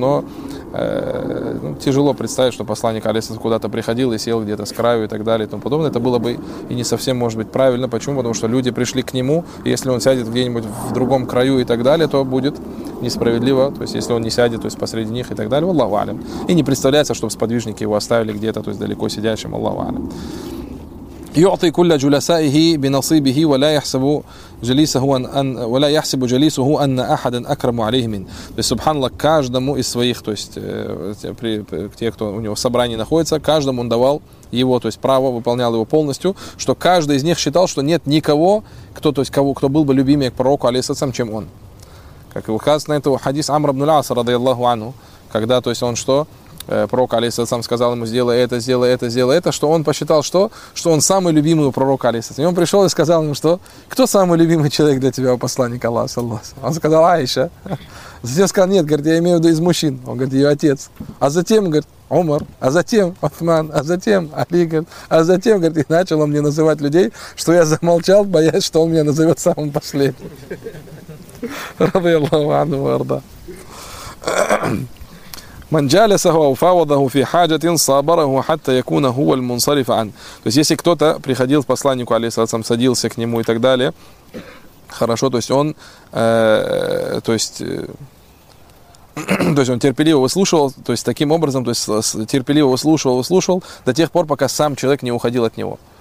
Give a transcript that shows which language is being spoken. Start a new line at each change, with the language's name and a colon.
Russian: Но ну, тяжело представить, что посланник Алиса куда-то приходил и сел где-то с краю и так далее и тому подобное. Это было бы и не совсем, может быть, правильно. Почему? Потому что люди пришли к нему, и если он сядет где-нибудь в другом краю и так далее, то будет несправедливо, то есть если он не сядет, то есть посреди них и так далее. Аллаху алим. И не представляется, чтобы сподвижники его оставили где-то, то есть далеко сидящим. Аллаху алим.
Arabic: يعطي كل جلسائه بنصيبه ولا يحسب جليسه أن ولا يحسب جليسه أن أحدا أكرم عليه من.
Russian: То есть, субханаллах, каждому из своих, то есть те, кто у него в собрании находится, каждому он давал его, то есть право, выполнял его полностью, что каждый из них считал, что нет никого, кто, то есть, кого, кто был бы любимее к пророку, алейхиссалям, чем он. Как и указано на это хадис Амра ибн аль-Ас, радиаллаху анху, когда, то есть, он что? Пророк, алейхиссалям, сказал ему, сделай это, что он посчитал, что он самый любимый у пророка, алейхиссалям. И он пришел и сказал ему, что кто самый любимый человек для тебя, посланник Аллаха, саллаллаху. Он сказал, Аиша. Затем сказал, нет, говорит, я имею в виду из мужчин. Он говорит, ее отец. А затем, говорит, Умар, а затем Утман, а затем Али, говорит, а затем, говорит, и начал он мне называть людей, что я замолчал, боясь, что он меня назовет самым последним. Рады Аллаху анху варда.
Arabic: من جالسه وفاوضه في حاجة صابره حتى يكون هو المنصرف عن.
Russian: То есть если кто-то приходил к посланнику, алейхиссалям, садился к нему и так далее, хорошо, то есть он, то есть он терпеливо выслушивал, то есть таким образом, то есть терпеливо выслушивал до тех пор, пока сам человек не уходил от него.